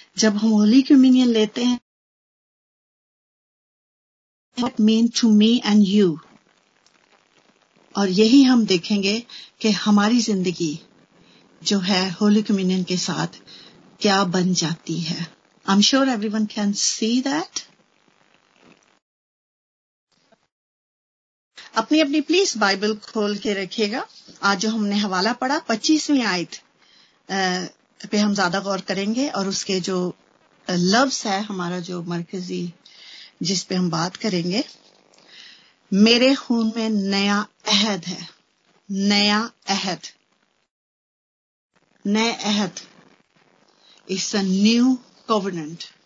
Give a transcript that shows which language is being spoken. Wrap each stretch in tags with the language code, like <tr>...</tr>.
<hi>जब हम holy communion लेते हैं,</hi> <en>What mean to me and you?</en> <hi>और यही हम देखेंगे कि हमारी जिंदगी जो है होली कम्युनियन के साथ क्या बन जाती है।</hi> <en>I'm sure everyone can see that.</en> <hi>अपनी अपनी प्लीज बाइबल खोल के रखिएगा। आज जो हमने हवाला पढ़ा 25वीं आयत पे हम ज्यादा गौर करेंगे और उसके जो लव्स है हमारा जो मरकजी जिस पे हम बात करेंगे, मेरे खून में नया अहद है, नया अहद, नए अहद,</hi> <en>It's a new covenant.</en>